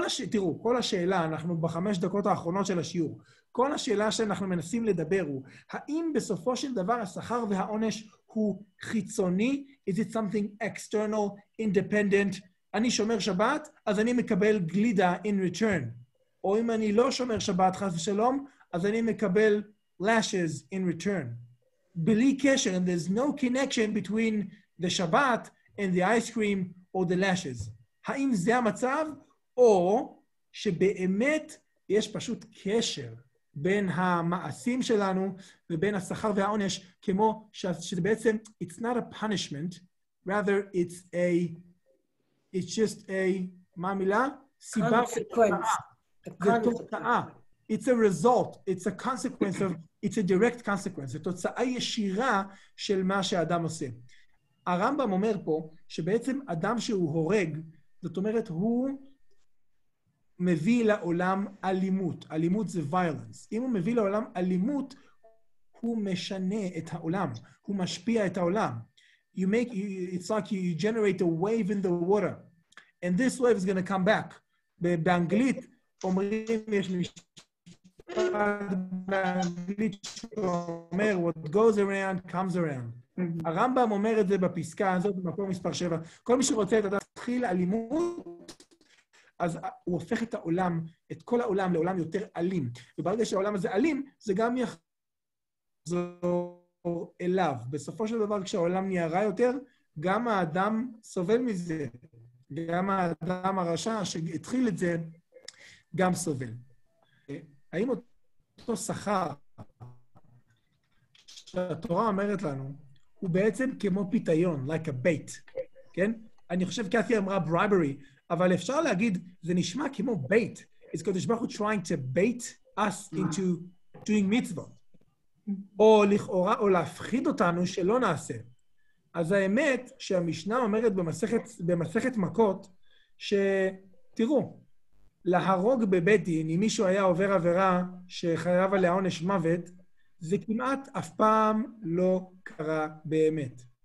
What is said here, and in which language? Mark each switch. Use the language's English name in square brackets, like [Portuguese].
[Hebrew] תראו, כל השאלה, אנחנו בחמש דקות האחרונות של השיעור, כל השאלה שאנחנו מנסים לדבר הוא, האם בסופו של דבר השכר והעונש הוא חיצוני? [English] Is it something external, independent? [Hebrew] אני שומר שבת, אז אני מקבל גלידה [English] in return. [Hebrew] או אם אני לא שומר שבת, חס ושלום, אז אני מקבל [English] lashes in return. [Hebrew] בלי קשר, [English] and there's no connection between the Shabbat and the ice cream or the lashes. [Hebrew] האם זה המצב? או שבאמת יש פשוט קשר בין המעשים שלנו ובין השכר והעונש, כמו שזה בעצם, [English] it's not a punishment, rather it's a, it's just a, [Hebrew] מה המילה? סיבה consequence. זה תוצאה. [English] It's a result, it's a consequence of, it's a direct consequence, [Hebrew] זה תוצאה ישירה של מה שאדם עושה. הרמב״ם אומר פה שבעצם אדם שהוא הורג, זאת אומרת הוא מביא לעולם אלימות. אלימות זה violence. אם הוא מביא לעולם אלימות, הוא משנה את העולם. הוא משפיע את העולם. [English] You make, it's like you generate a wave in the water. And this wave is going to come back. [Hebrew] באנגלית אומרים, יש לי משפט באנגלית שאומר, [English] what goes around comes around. [Hebrew] הרמב״ם אומר את זה בפסקה הזאת, במקום מספר 7. כל מי שרוצה את הדעת, תחיל אלימות, אז הוא הופך את העולם, את כל העולם, לעולם יותר אלים. וברגע שהעולם הזה אלים, זה גם יחזור אליו. בסופו של דבר, כשהעולם נהיה רע יותר, גם האדם סובל מזה. גם האדם הרשע שהתחיל את זה, גם סובל. האם אותו שכר שהתורה אומרת לנו, הוא בעצם כמו פיתיון, [English] like a bait, [Hebrew] כן? אני חושב, קאתי אמרה bribery, אבל אפשר להגיד, זה נשמע כמו bait. [English] It's קדוש ברוך הוא trying to bait us into doing mitzvot. [Hebrew] או לכאורה, או להפחיד אותנו שלא נעשה. אז האמת שהמשנה אומרת במסכת מכות, שתראו, להרוג בבית דין, אם מישהו היה עובר עבירה שחייב עליה עונש מוות, זה כמעט אף פעם לא קרה באמת.